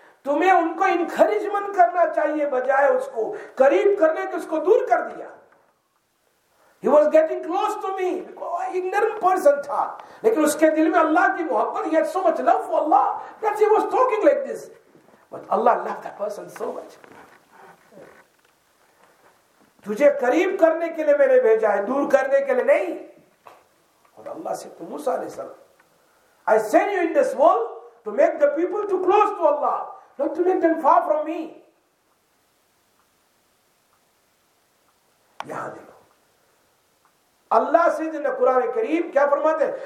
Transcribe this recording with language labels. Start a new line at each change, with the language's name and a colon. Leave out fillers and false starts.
Hindi: तुम्हें उनको इनकरेजमेंट करना चाहिए बजाय उसको करीब करने के उसको दूर कर दिया.
English: He was getting close to me. Ignorant person था.
Hindi: लेकिन उसके दिल में अल्लाह की मोहब्बत.
English: He had so much love for Allah that he was talking like this. But Allah loved that person so much.
Hindi: तुझे करीब करने के लिए मैंने भेजा है, दूर करने के लिए नहीं. और अल्लाह से तो मूसा ने sir,
English: I send you in this world to make the people too close to Allah. Not to make them far from me.
Hindi: Yahan dekho.
English: Allah says in the Quran Kareem,
Hindi: kya farmate hain?